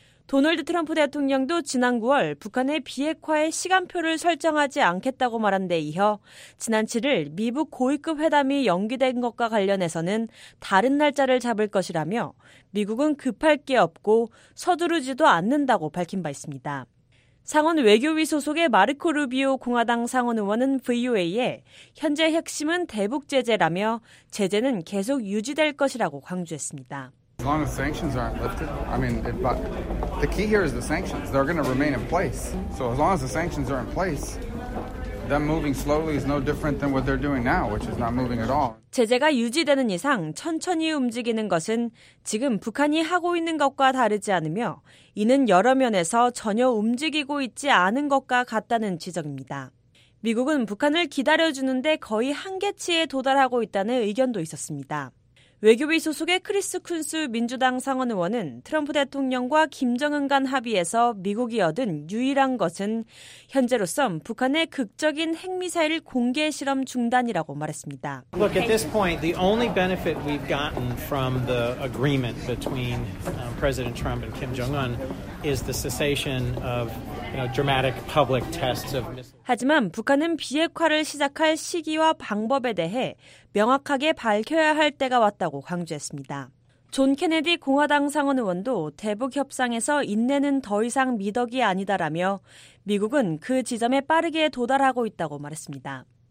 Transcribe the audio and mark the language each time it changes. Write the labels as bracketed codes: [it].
[ko] 도널드 트럼프 대통령도 지난 9월 북한의 비핵화에 시간표를 설정하지 않겠다고 말한 데 이어 지난 7일 미북 고위급 회담이 연기된 것과 관련해서는 다른 날짜를 잡을 것이라며 미국은 급할 게 없고 서두르지도 않는다고 밝힌 바 있습니다. 상원 외교위 소속의 마르코 루비오 공화당 상원 의원은 VOA에 현재 핵심은 대북 제재라며 제재는 계속 유지될 것이라고 강조했습니다. [en] As long as sanctions aren't lifted, I mean, but the key here is the sanctions. They're going to remain in place. So as long as the sanctions are in place, them moving slowly is no different than what they're doing now, which is not moving at all. [ko] 제재가 유지되는 이상 천천히 움직이는 것은 지금 북한이 하고 있는 것과 다르지 않으며 이는 여러 면에서 전혀 움직이고 있지 않은 것과 같다는 지적입니다. 미국은 북한을 기다려주는데 거의 한계치에 도달하고 있다는 의견도 있었습니다. 외교비 소속의 크리스 쿤스 민주당 상원 의원은 트럼프 대통령과 김정은 간 합의에서 미국이 얻은 유일한 것은 현재로선 북한의 극적인 핵미사일 공개 실험 중단이라고 말했습니다. [en] Look, at this point, the only benefit we've gotten from the agreement between President Trump and Kim Jong-un is the cessation of dramatic public tests of missiles. [ko] 하지만 북한은 비핵화를 시작할 시기와 방법에 대해 명확하게 밝혀야 할 때가 왔다고 강조했습니다. 존 케네디 공화당 상원 의원도 대북 협상에서 인내는 더 이상 미덕이 아니다라며 미국은 그 지점에 빠르게 도달하고 있다고 말했습니다.